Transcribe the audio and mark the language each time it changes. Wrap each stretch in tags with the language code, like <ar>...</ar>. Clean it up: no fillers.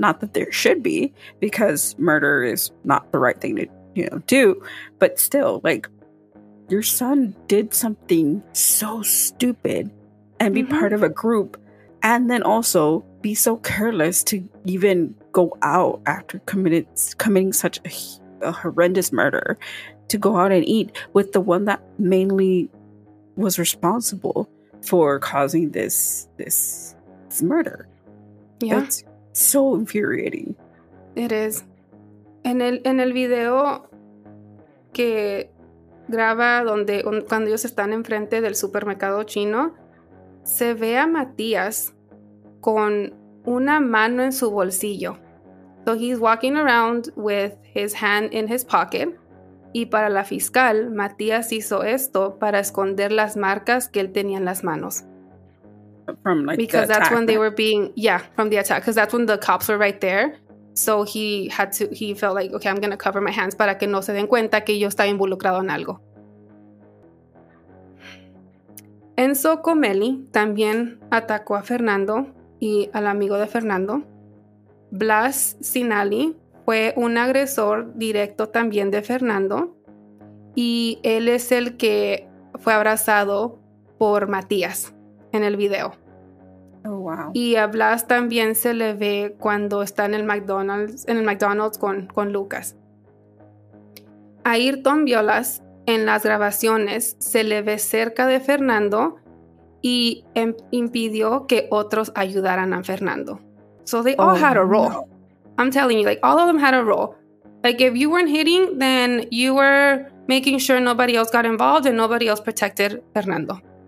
<en>Not that there should be, because murder is not the right thing to, you know, do, but still, like, your son did something so stupid and be part of a group, and then also be so careless to even go out after committing such a horrendous murder, to go out and eat with the one that mainly was responsible for causing this murder. Yeah. It's so infuriating. It is.</en> <es>En el video que graba cuando ellos están enfrente del supermercado chino, se ve a Matías con una mano en su bolsillo.</es> <en>So he's walking around with his hand in his pocket.</en> <es>Y para la fiscal, Matías hizo esto para esconder las marcas que él tenía en las manos.</es> <en>From like because the that's attack, when they were being, yeah, from the attack. Because that's when the cops were right there. So he had to, he felt like, okay, I'm going to cover my hands</en> <es>para que no se den cuenta que yo estaba involucrado en algo. Enzo Comelli también atacó a Fernando y al amigo de Fernando. Blas Sinali fue un agresor directo también de Fernando. Y él es el que fue abrazado por Matías en el video.</es> <en>Oh, wow.</en> <es>Y a Blas también se le ve cuando está en el McDonald's con Lucas. A Ayrton Violas, en las grabaciones, se le ve cerca de Fernando y impidió que otros ayudaran a Fernando.</es> <en>So they all had a role. No. I'm telling you, like, all of them had a role. Like, if you weren't hitting, then you were making sure nobody else got involved and nobody else protected Fernando.</en>